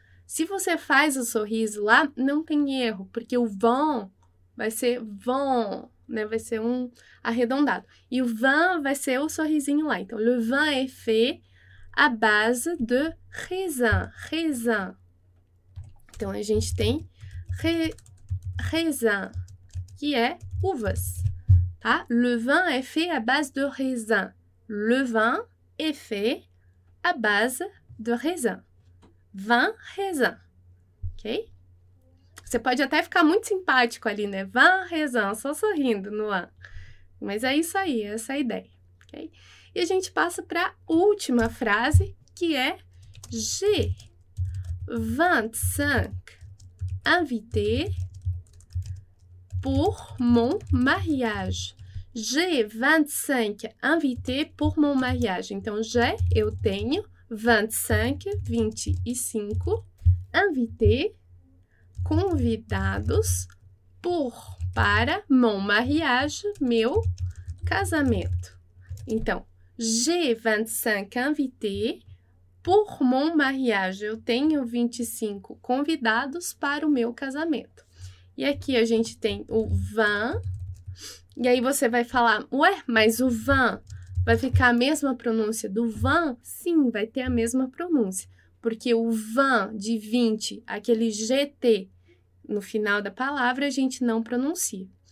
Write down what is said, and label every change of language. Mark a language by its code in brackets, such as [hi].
[pt] Se você faz o sorriso lá, não tem erro, porque o vent vai ser vent, né, vai ser um arredondado. E o vin vai ser o sorrisinho lá. Então, [fr] le vin [pt] é [fr] fait à base de raisin, raisin. [pt] Então, a gente tem raisin, que é uvas, tá? [fr] Le vin est fait à base de raisin. Le vin est fait à base de raisin. [pt] Vin, raisin, ok? Você pode até ficar muito simpático ali, né? Vin, raisin, só sorrindo no ar. Mas é isso aí, essa é a ideia, ok? E a gente passa para a última frase, que é [fr] J'ai 25 invités pour mon mariage. J'ai 25 invités pour mon mariage. [pt] Então, j'ai, eu tenho, 25, 25, invités, convidados, pour, para, [fr] mon mariage, [pt] meu casamento. [fr] Então, j'ai 25 invités pour mon mariage. [pt] Eu tenho 25 convidados para o meu casamento. E aqui a gente tem o vin. E aí você vai falar, ué, mas o vin vai ficar a mesma pronúncia do vin? Sim, vai ter a mesma pronúncia. Porque o vin de 20, aquele GT no final da palavra, a gente não pronuncia.